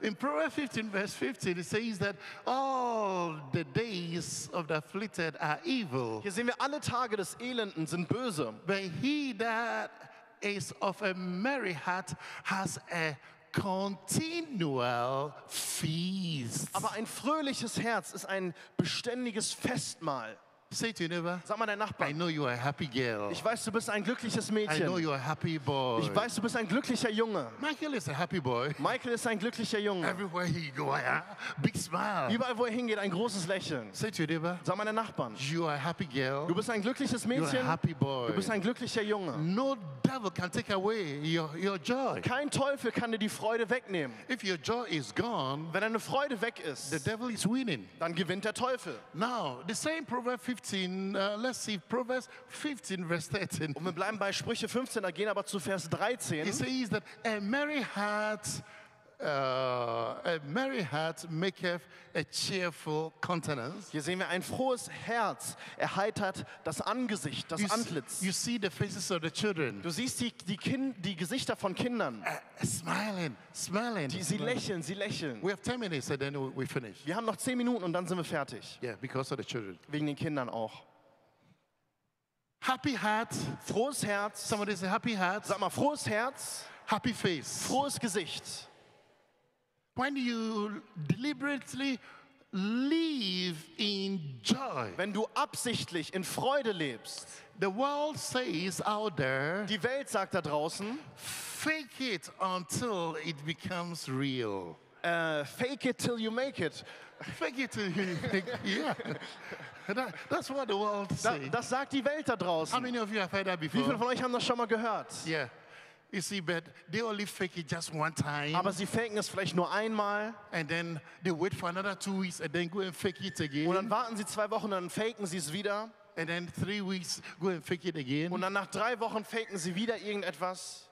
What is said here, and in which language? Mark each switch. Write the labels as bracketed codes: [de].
[en] In Proverbs 15, verse 15, it says that all the days of the afflicted are evil. [de] Hier sehen wir, alle Tage des Elenden sind böse. [en] But he that is of a merry heart has a continual feast. [de] Aber ein fröhliches Herz ist ein beständiges Festmahl. [en] Say to your neighbor, [de] sag mal dein Nachbar, [en] I know you are a happy girl. [de] Ich weiß, du bist ein glückliches Mädchen. [en] I know you are a happy boy. [de] Ich weiß, du bist ein glücklicher Junge. [en] Michael is a happy boy. [de] Michael ist ein glücklicher Junge. [en] Everywhere he goes, yeah? Big smile. [de] Überall, wo er hingeht, ein großes Lächeln. [en] Say to your neighbor, [de] sag mal dein Nachbarn, [en] you are a happy girl. [de] Du bist ein glückliches Mädchen. [en] You are a happy boy. [de] Du bist ein glücklicher Junge. [en] No devil can take away your joy. [de] Kein Teufel kann dir die Freude wegnehmen. [en] If your joy is gone, [de] wenn deine Freude weg ist, [en] the devil is winning. [de] Dann gewinnt der Teufel. [en] Now, the same Proverb 15. Let's see, Proverbs 15, verse 13. [de] Und wir bleiben bei Sprüche 15, da gehen aber zu Vers 13. [en] It says that a merry heart maketh a cheerful countenance. [de] Hier sehen wir ein frohes Herz, erheitert das Angesicht, das Antlitz. [en] You see the faces of the children. [de] Du siehst die Gesichter von Kindern. [en] Smiling. [de] Sie lächeln. [en] We have 10 minutes and then we finish. [de] Wir haben noch 10 Minuten und dann sind wir fertig. [en] Yeah, because of the children. [de] Wegen den Kindern auch. [en] Happy heart. [de] Frohes Herz. [en] Somebody say happy heart. [de] Sag mal frohes Herz. [en] Happy face. [de] Frohes Gesicht. [en] When you deliberately live in joy. [de] Wenn du absichtlich in Freude lebst. [en] The world says out there. [de] Die Welt sagt da draußen. [en] Fake it until it becomes real. Fake it till you make it. Fake it till you make it. Yeah. That's what the world says. [de] Das sagt die Welt da draußen. [en] How many of you have heard that before? [de] Wie viele von euch haben das schon mal gehört? [en] Yeah. You see, but they only fake it just one time. [de] Aber sie faken es vielleicht nur einmal. [en] And then they wait for another 2 weeks and then go and fake it again. [de] Und dann warten sie 2 Wochen, dann faken sie es wieder. [en] And then 3 weeks go and fake it again. [de] Und dann nach 3 Wochen faken sie wieder irgendetwas.